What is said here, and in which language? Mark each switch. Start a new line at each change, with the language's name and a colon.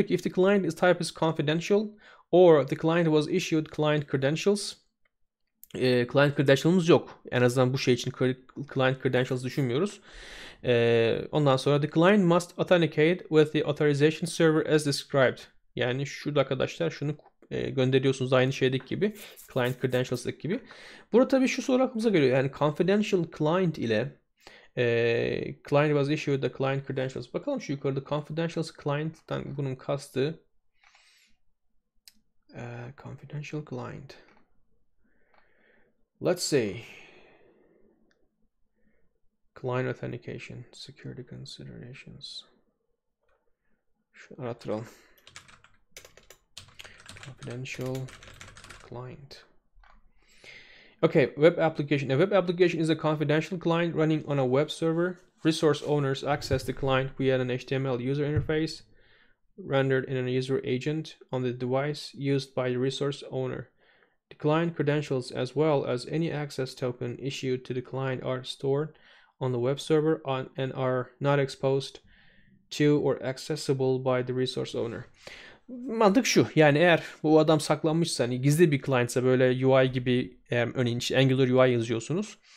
Turkish: Diyor ki
English: if the client is type is confidential or the client was issued client credentials.
Turkish: Client credentials yok. En azından bu şey için client credentials düşünmüyoruz. Ondan sonra
English: the client must authenticate with the authorization server as described.
Turkish: Yani şurada arkadaşlar şunu gönderiyorsunuz aynı şeydeki gibi. Client credentials'daki gibi. Burada tabii şu soru aklımıza geliyor.
English: Yani confidential client ile client was issued the client credentials.
Turkish: Bakalım şu yukarıda confidential client'tan bunun kastı confidential client.
English: Let's see. Client authentication, security considerations.
Turkish: Şu aratıralım.
English: Confidential client. Okay, web application. A web application is a confidential client running on a web server. Resource owners access the client via an HTML user interface rendered in a user agent on the device used by the resource owner. The client credentials, as well as any access token issued to the client, are stored on the web server and are not exposed to or accessible by the resource owner.
Turkish: Mantık şu. Yani eğer bu adam saklanmışsa hani gizli bir client'sa böyle UI gibi örneğin işte Angular UI yazıyorsunuz.